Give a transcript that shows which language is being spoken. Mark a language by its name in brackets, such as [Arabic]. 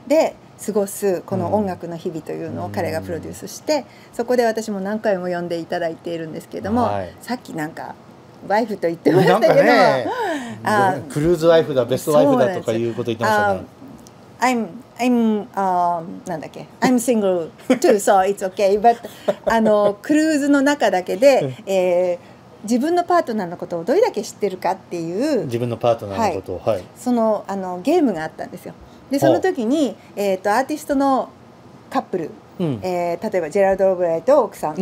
[Japanese] で過ごすこの音楽の日々というのを彼がプロデュースして、そこで私も何回も呼んでいただいているんですけれども、さっきなんかワイフと言ってましたけど、ね、あ、クルーズワイフだ、ベストワイフだとかいうこと言ってましたね。 [English] I'm single too, so it's okay. [Japanese] But あのクルーズの中だけで、自分のパートナーのことをどれだけ知ってるかっていう、自分のパートナーのことを、はい、その、 あのゲームがあったんですよ。でその時に、アーティストのカップル、例えばジェラルド・オブライト奥さん、